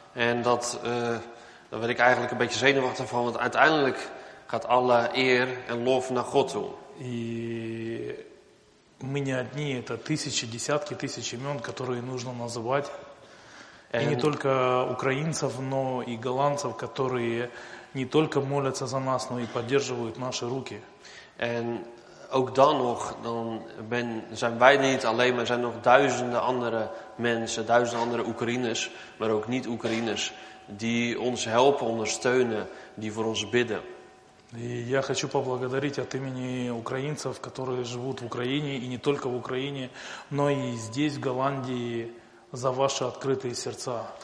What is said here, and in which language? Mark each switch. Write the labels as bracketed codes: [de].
[nl] En dat, daar werd ik eigenlijk een beetje zenuwachtig van, want uiteindelijk gaat alle eer en lof naar God toe. [ru] И мы не одни, это тысячи, десятки тысяч имен, которые нужно называть. И не только украинцев, но и голландцев, которые не только молятся за нас, но и поддерживают наши руки. [nl] En ook dan nog, zijn wij niet alleen, maar zijn nog duizenden andere mensen, duizenden andere Oekraïners, maar ook niet-Oekraïners, die ons helpen, ondersteunen, die voor ons bidden. [ru] И я хочу поблагодарить от имени украинцев, которые живут в Украине, и не только в Украине, но и здесь, в Голландии, за ваши открытые сердца.